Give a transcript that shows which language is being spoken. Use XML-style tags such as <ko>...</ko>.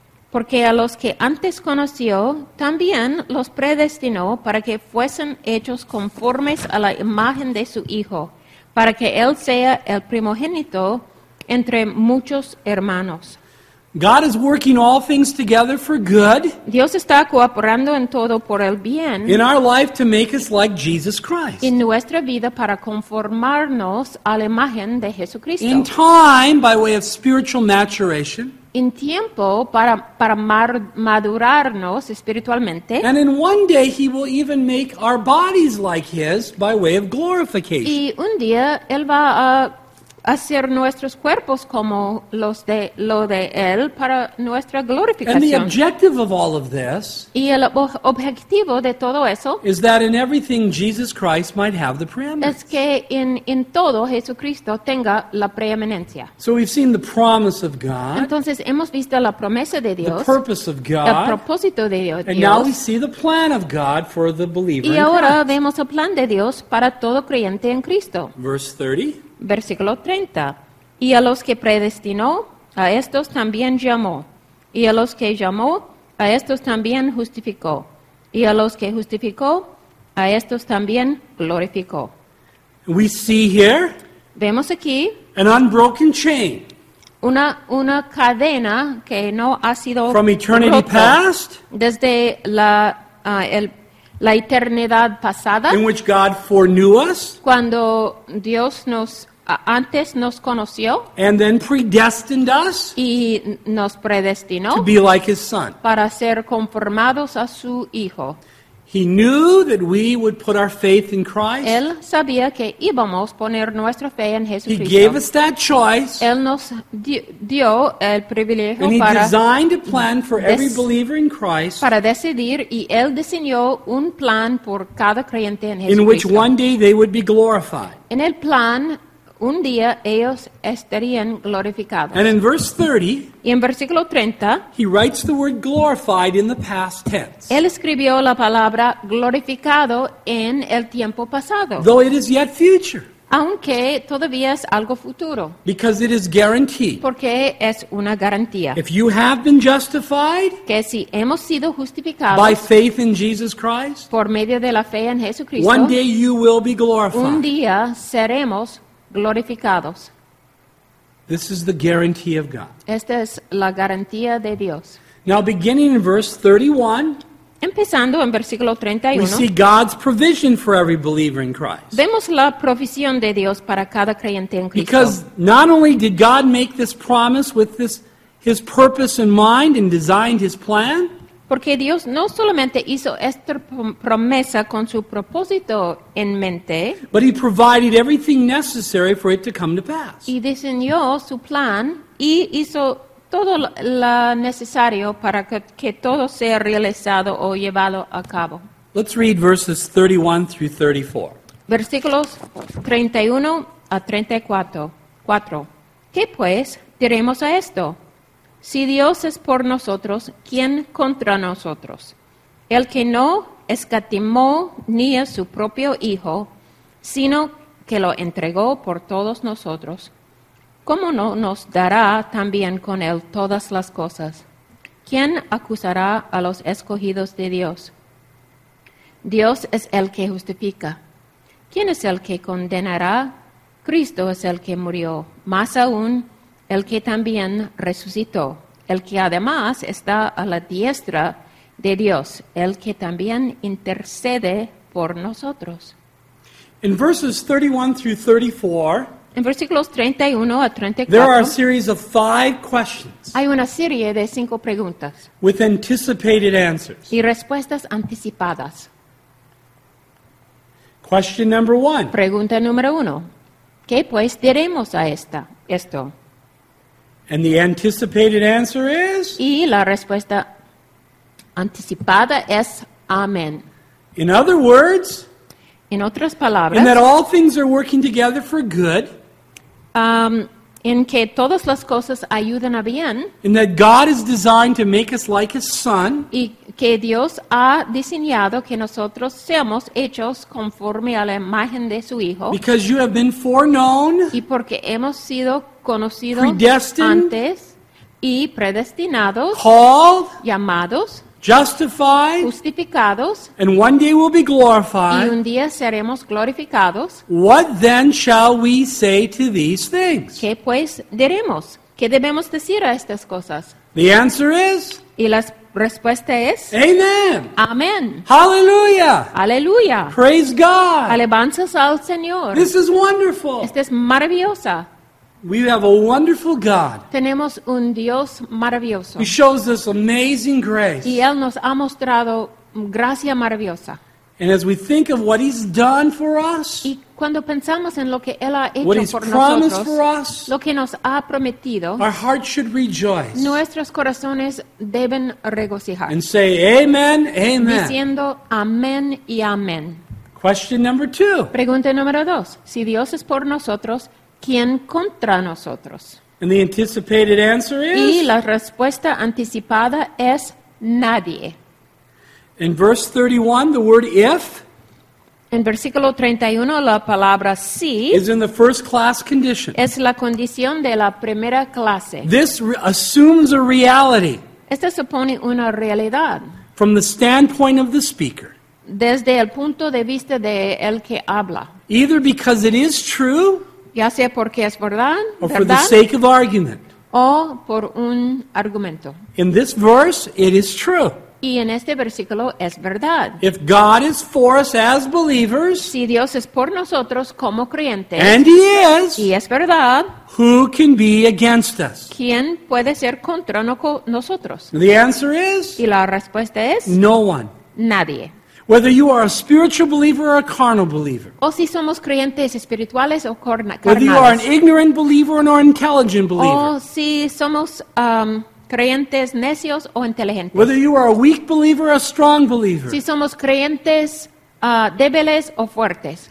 <es>Porque a los que antes conoció, también los predestinó para que fuesen hechos conformes a la imagen de su Hijo, para que Él sea el primogénito entre muchos hermanos.</es> <en>God is working all things together for good.</en> <es>Dios está cooperando en todo por el bien.</es> <en>In our life to make us like Jesus Christ.</en> <es>En nuestra vida para conformarnos a la imagen de Jesucristo.</es> <en>In time, by way of spiritual maturation.</en> <es>En tiempo para madurarnos espiritualmente.</es> <en>And in one day he will even make our bodies like his by way of glorification.</en> <es>Y un día él va a hacer nuestros cuerpos como los de lo de él para nuestra glorificación.</es> <en>And the objective of all of this.</en> <es>Y el objetivo de todo eso.</es> <en>Is that in everything Jesus Christ might have the preeminence.</en> <es>Es que en todo Jesucristo tenga la preeminencia.</es> <en>So we've seen the promise of God.</en> <es>Entonces hemos visto la promesa de Dios.</es> <en>The purpose of God.</en> <es>El propósito de Dios.</es> <en>And now we see the plan of God for the believer.</en> <es>Y ahora</es> <en>in Christ.</en> <es>Vemos el plan de Dios para todo creyente en Cristo.</es> <en>Verse 30.</en> <es>Versículo 30. Y a los que predestinó, a estos también llamó. Y a los que llamó, a estos también justificó. Y a los que justificó, a estos también glorificó.</es> <en>We see here.</en> <es>Vemos aquí.</es> <en>An unbroken chain.</en> <es>Una cadena que no ha sido rota.</es> <en>From eternity past.</en> <es>Desde la eternidad pasada.</es> <en>In which God foreknew us.</en> <es>Cuando Dios nos antes nos conoció.</es> <en>And then predestined us.</en> <es>Y nos predestinó.</es> <en>To be like his son.</en> <es>Para ser conformados a su hijo.</es> <en>He knew that we would put our faith in Christ.</en> <es>Él sabía que íbamos poner nuestra fe en Jesucristo.</es> <en>He gave us that choice.</en> <es>Él nos dio el privilegio</es> <en>and</en> <es>para</es> <en>he designed a plan for every believer in Christ.</en> <es>Para decidir y él diseñó un plan por cada creyente en Jesucristo.</es> <en>In which one day they would be glorified.</en> <es>En el plan un día ellos estarían glorificados.</es> <en>And in verse 30,</en> <es>y en versículo 30,</es> <en>he writes the word glorified in the past tense.</en> <es>Él escribió la palabra glorificado en el tiempo pasado.</es> <en>Though it is yet future.</en> <es>Aunque todavía es algo futuro.</es> <en>Because it is guaranteed.</en> <es>Porque es una garantía.</es> <en>If you have been justified,</en> <es>que si hemos sido justificados</es> <en>by faith in Jesus Christ,</en> <es>por medio de la fe en Jesucristo,</es> <en>one day you will be glorified.</en> <es>Un día seremos glorificados.</es> <en>This is the guarantee of God.</en> <es>Esta es la garantía de Dios.</es> <en>Now beginning in verse 31,</en> <es>empezando en versículo 31,</es> <en>we see God's provision for every believer in Christ.</en> <es>Vemos la provisión de Dios para cada creyente en Cristo.</es> <en>Because not only did God make this promise with this his purpose in mind and designed his plan,</en> <es>porque Dios no solamente hizo esta promesa con su propósito en mente,</es> <en>but he provided everything necessary for it to come to pass.</en> <es>Y diseñó su plan y hizo todo lo necesario para que todo sea realizado o llevado a cabo.</es> <en>Let's read verses 31 through 34.</en> <es>Versículos 31 a 34. ¿Qué pues diremos a esto? Si Dios es por nosotros, ¿quién contra nosotros? El que no escatimó ni a su propio Hijo, sino que lo entregó por todos nosotros, ¿cómo no nos dará también con él todas las cosas? ¿Quién acusará a los escogidos de Dios? Dios es el que justifica. ¿Quién es el que condenará? Cristo es el que murió, más aún, el que también resucitó, el que además está a la diestra de Dios, el que también intercede por nosotros.</es> <en>In verses 31 through 34,</en> <es>en versículos 31 a 34,</es> <en>there are a series of five questions.</en> <es>Hay una serie de cinco preguntas.</es> <en>With anticipated answers.</en> <es>Y respuestas anticipadas.</es> <en>Question number one.</en> <es>Pregunta número uno. ¿Qué pues diremos a esto?</es> <en>And the anticipated answer is?</en> <es>Y la respuesta anticipada es amén.</es> <en>In other words,</en> <es>en otras palabras,</es> <en>and that all things are working together for good,</en> <es>en que todas las cosas ayudan a bien,</es> <en>and that God is designed to make us like His Son,</en> <es>y que Dios ha diseñado que nosotros seamos hechos conforme a la imagen de su Hijo,</es> <en>because you have been foreknown,</en> <es>y porque hemos sido conocidos antes y predestinados,</es> <en>called,</en> <es>llamados,</es> <en>justified,</en> <es>justificados,</es> <en>and one day we'll be glorified,</en> <es>y un día seremos glorificados.</es> <en>What then shall we say to these things?</en> <es>¿Qué pues diremos? ¿Qué debemos decir a estas cosas?</es> <en>The answer is,</en> <es>y la respuesta es,</es> <en>amen.</en> <es>Amen.</es> <en>Hallelujah.</en> <es>Hallelujah.</es> <en>Praise God.</en> <es>Alabanzas al Señor.</es> <en>This is wonderful.</en> <es>Esta es maravillosa.</es> <en>We have a wonderful God.</en> <es>Tenemos un Dios maravilloso.</es> <en>He shows us amazing grace.</en> <es>Y Él nos ha mostrado gracia maravillosa.</es> <en>And as we think of what He's done for us,</en> <es>y cuando pensamos en lo que Él ha hecho</es> <en>what He's</en> <es>por</es> <en>promised</en> <es>nosotros,</es> <en>for us,</en> <es>lo que nos ha prometido,</es> <en>our hearts should rejoice.</en> <es>Nuestros corazones deben regocijar.</es> <en>And say, amen, amen.</en> <es>Diciendo amén y amén.</es> <en>Question number two.</en> <es>Pregunta número dos. Si Dios es por nosotros, ¿quién contra nosotros?</es> <en>And the anticipated answer is,</en> <es>y la respuesta anticipada es nadie.</es> <en>In verse 31, the word if,</en> <es>en versículo 31, la palabra si,</es> <en>is in the first class condition.</en> <es>Es la condición de la primera clase.</es> <en>This assumes a reality.</en> <es>Esta supone una realidad.</es> <en>From the standpoint of the speaker.</en> <es>Desde el punto de vista de el que habla.</es> <en>Either because it is true,</en> <es>ya sea porque es verdad,</es> <en>or for the sake of argument.</en> <es>O por un argumento.</es> <en>In this verse, it is true.</en> <es>Y en este versículo es verdad.</es> <en>If God is for us as believers,</en> <es>si Dios es por nosotros como creyentes,</es> <en>and He is,</en> <es>y es verdad,</es> <en>who can be against us?</en> <es>¿Quién puede ser contra nosotros?</es> <en>The answer is,</en> <es>y la respuesta es,</es> <en>no one.</en> <es>Nadie.</es> <en>Whether you are a spiritual believer or a carnal believer.</en> <es>O si somos creyentes espirituales o carnales.</es> <en>Whether you are an ignorant believer or an intelligent believer.</en> <es>O si somos creyentes necios o inteligentes.</es> <en>Whether you are a weak believer or a strong believer.</en> <es>Si somos creyentes débiles o fuertes.</es>